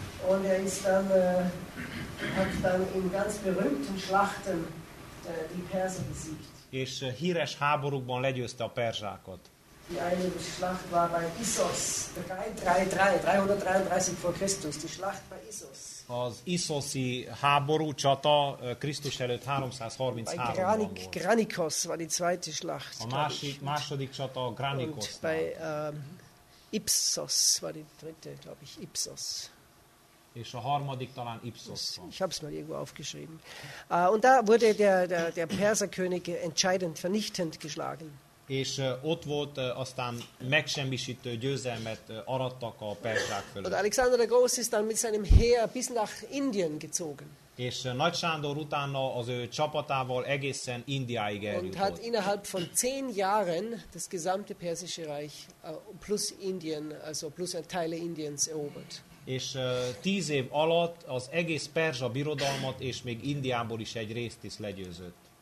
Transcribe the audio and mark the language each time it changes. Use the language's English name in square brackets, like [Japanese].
[German] Und er ist dann, hat dann in ganz berühmten Schlachten die Perser besiegt. [Hungarian] És híres háborúkban legyőzte a perzsákat. [German] Die eine Schlacht war bei Issos, 333 vor Christus, die Schlacht bei Issos. [Hungarian] Az iszoszi háború csata Krisztus előtt 333-ban volt. [German] Granikos war die zweite Schlacht. [Hungarian] A második csata Granikos. [German] Und bei Ipsos war die dritte, glaube ich, Ipsos. [Hungarian] És a harmadik talán Ipsos. [German] Ich habe es mal irgendwo aufgeschrieben. Und da wurde der Perserkönig entscheidend, vernichtend geschlagen. [Hungarian] És ott volt, aztán megsemmisítő győzelmet arattak a perzsák fölött. [German] Alexander der Große ist dann mit seinem Heer bis nach Indien gezogen. [Hungarian] És Nagy Sándor utána az ő csapatával egészen Indiáig eljutott. [German] Und hat innerhalb von 10 Jahren das gesamte persische Reich plus Indien, also plus Teile Indiens erobert. [Hungarian] És 10 év alatt az egész perzsa birodalmat és még Indiából is egy részt is legyőzött.